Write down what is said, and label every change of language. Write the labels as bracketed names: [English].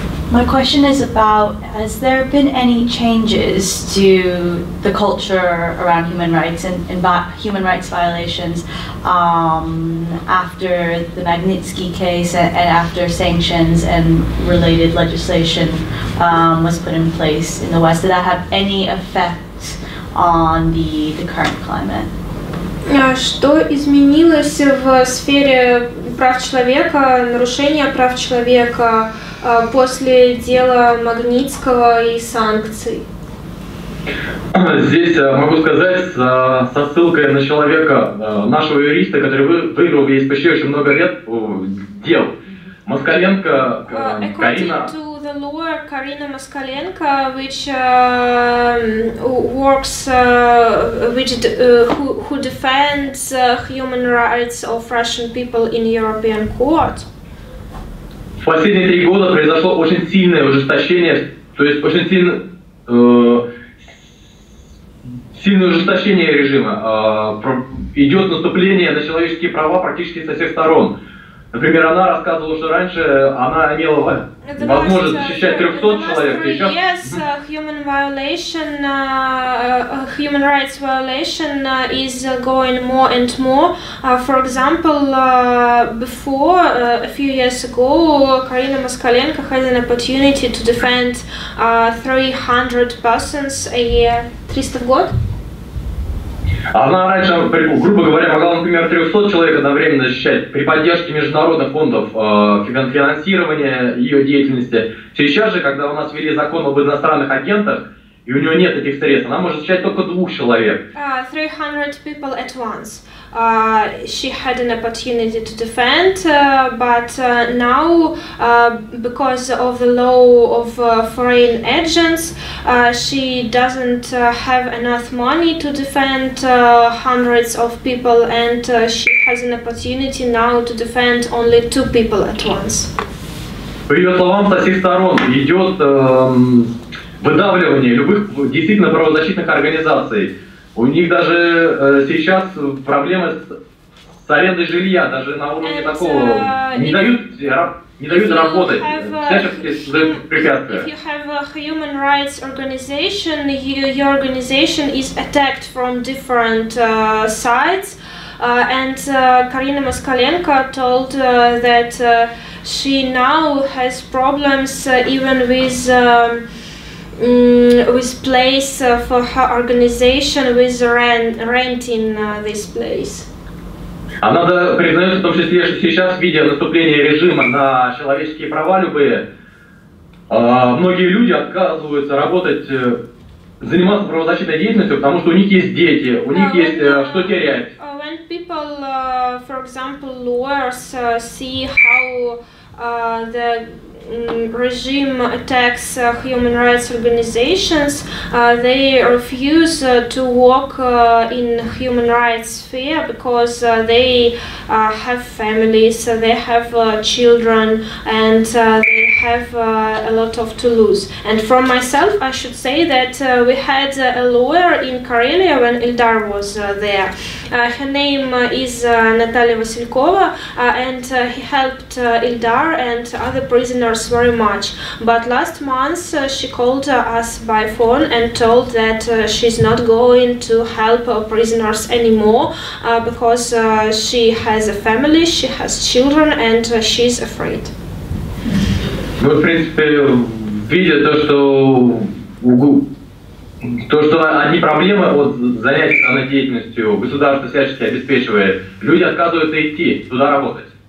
[English] My question is about, has there been any changes to the culture around human rights and human rights violations after the Magnitsky case and after sanctions and related legislation was put in place in the West? Did that have any effect on the current climate? [Russian] Что изменилось в сфере прав человека, нарушения прав человека после дела Магнитского и санкций? Здесь могу сказать со ссылкой на человека, нашего юриста, который выиграл весь почти очень много лет дел. Москаленко, Карина... [English] The lawyer Karina Moskalenko, which works, who defends human rights of Russian people in European court. [Russian] В последние три года произошло очень сильное ужесточение, то есть очень сильное ужесточение режима. Идет наступление на человеческие права практически со всех сторон. Например, она рассказывала, что раньше она имела возможность защищать 300 человек. [English] Yes, human rights violation is going more and more. For example, before, a few years ago, Karina Moskalenko had an opportunity to defend 300 persons a year. [Russian] 300 в год? Она раньше, грубо говоря, могла, например, 300 человек одновременно защищать при поддержке международных фондов финансирования ее деятельности. Сейчас же, когда у нас ввели закон об иностранных агентах, и у нее нет этих средств, она может защищать только 2 человек. [English] 300 people at once. She had an opportunity to defend, but now, because of the law of foreign agents, she doesn't have enough money to defend hundreds of people, and she has an opportunity now to defend only 2 people at once. [Russian] По ее словам, со всех сторон идет выдавливание любых действительно правозащитных организаций. У них даже сейчас проблемы с арендой жилья, даже на уровне такого, не дают работать, всячески создают препятствия. [English] If you have a human rights organization, your organization is attacked from different sides. And Karina Moskalenko told that she now has problems even with... with place for her organization, with renting this place. [Russian] Она признает в том числе, что сейчас, видя наступление режима на человеческие права любые, многие люди отказываются работать, заниматься правозащитной деятельностью, потому что у них есть дети, у них есть что терять. [English] When people, for example, lawyers see how the regime attacks human rights organizations, they refuse to work in human rights sphere because they have families, they have children, and they have a lot of to lose. And from myself, I should say that we had a lawyer in Karelia when Ildar was there. Her name is Natalia Vasilkova, and he helped Ildar and other prisoners us very much. But last month she called us by phone and told that she's not going to help prisoners anymore because she has a family, she has children, and she's afraid. [Russian] Ну, в принципе, видя то, что одни проблемы от занятий данной деятельностью государство всячески обеспечивает, люди отказываются идти туда работать.